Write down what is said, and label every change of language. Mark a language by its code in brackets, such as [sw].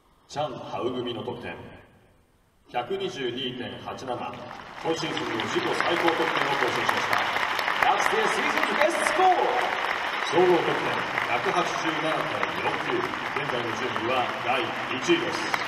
[ja] チャン・ハウ組の得点 122.87 今シーズンの自己最高得点を更新しました。 [en] That's their season's best score. [ja] 総合得点 187.49 現在の順位は第1位です。